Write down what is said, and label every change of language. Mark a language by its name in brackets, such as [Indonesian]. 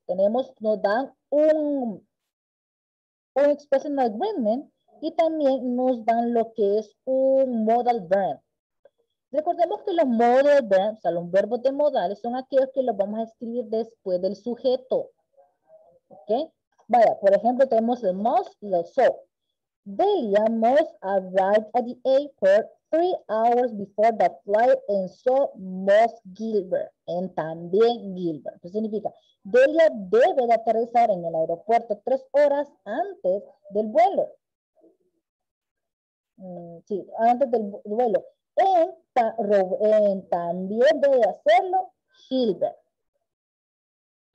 [Spanish] Tenemos, nos dan un expression agreement y también nos dan lo que es un modal verb. Recordemos que los modal verbs, o sea, los verbos de modales, son aquellos que los vamos a escribir después del sujeto. ¿Ok? Vaya, por ejemplo, tenemos el must y el so. [English] Delia must arrive at the airport 3 hours before the flight and so must Gilbert. [Spanish] And también Gilbert. ¿Qué significa? Delia debe de aterrizar en el aeropuerto 3 horas antes del vuelo. Sí, antes del vuelo. También debe hacerlo Gilbert. ¿Ok?